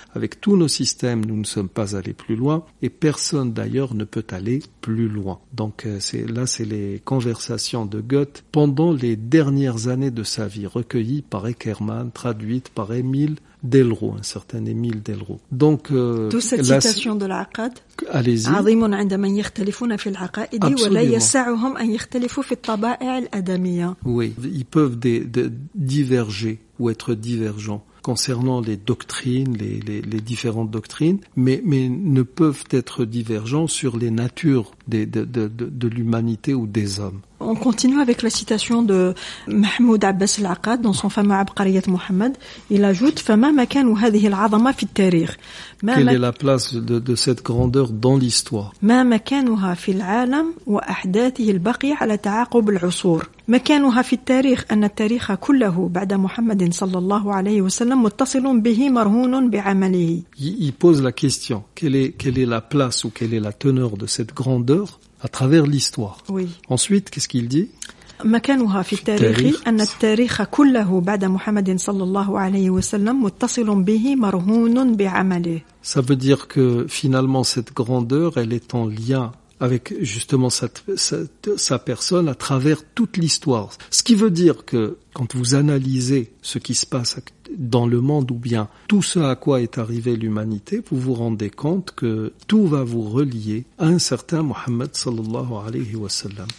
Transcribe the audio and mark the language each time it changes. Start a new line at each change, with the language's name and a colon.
French: Avec tous nos systèmes, nous ne sommes pas allés plus loin et personne d'ailleurs ne peut aller plus loin. Donc c'est les conversations de Goethe pendant les dernières années de sa vie, recueillies par Eckermann, traduites par Émile Delroux, un certain Émile Delroux. Donc citation de l'Aqad. Allez-y.
Arabic: عظيم عندما يختلفون في العقائد ولا يسعهم ان يختلفوا في الطبائع الادميه.
French: Oui, ils peuvent diverger ou être divergents concernant les doctrines, les différentes doctrines, mais ne peuvent être divergents sur les natures de l'humanité ou des hommes. On continue avec la citation de Mahmoud Abbas al-Aqad dans son fameux Abqariyat Muhammad. Il ajoute «
Arabic: Fama makan wa hadhihi al-azama fi at-tarikh ».
French: Quelle est la place de cette grandeur dans l'histoire ?
Arabic: « Ma makanuha fi al-alam wa ahdathihi al-baqiya ala ta'aqub al-usur ». مكانها في التاريخ أن التاريخ كله بعد محمد صلى الله عليه وسلم متصل به مرهون بعمله.
French: Il pose la question, quelle est la place ou quelle est la teneur de cette grandeur à travers l'histoire. Oui. Ensuite, qu'est-ce qu'il dit ?
Arabic: مكانها في التاريخ أن التاريخ كله بعد محمد صلى الله عليه وسلم متصل به مرهون بعمله.
French: Ça veut dire que finalement cette grandeur, elle est en lien avec justement sa personne à travers toute l'histoire. Ce qui veut dire que quand vous analysez ce qui se passe dans le monde ou bien tout ce à quoi est arrivée l'humanité, vous vous rendez compte que tout va vous relier à un certain Mohammed sallallahu alayhi wa sallam.